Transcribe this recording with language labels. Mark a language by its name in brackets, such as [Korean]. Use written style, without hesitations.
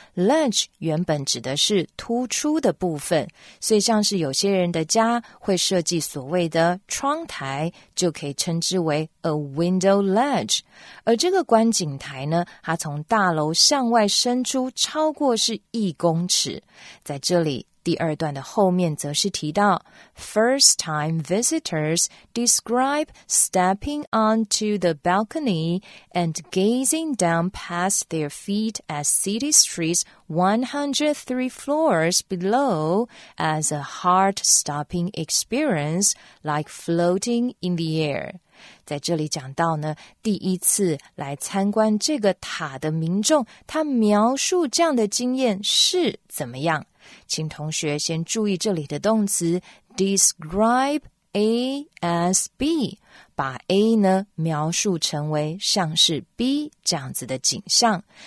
[Chinese] ledge 原本指的是突出的部分，所以像是有些人的家会设计所谓的窗台，就可以称之为 [English] a window ledge。 [Chinese] 而这个观景台呢，它从大楼向外伸出超过是一公尺。在这里第二段的后面则是提到 [English] First time visitors describe stepping onto the balcony and gazing down past their feet at city streets 103 floors below as a heart-stopping experience like floating in the air. [Chinese] 在这里讲到呢，第一次来参观这个塔的民众，他描述这样的经验是怎么样？请同学先注意这里的动词 [English] describe A as B， [Chinese] 把 A 呢描述成为像是 B 这样子的景象。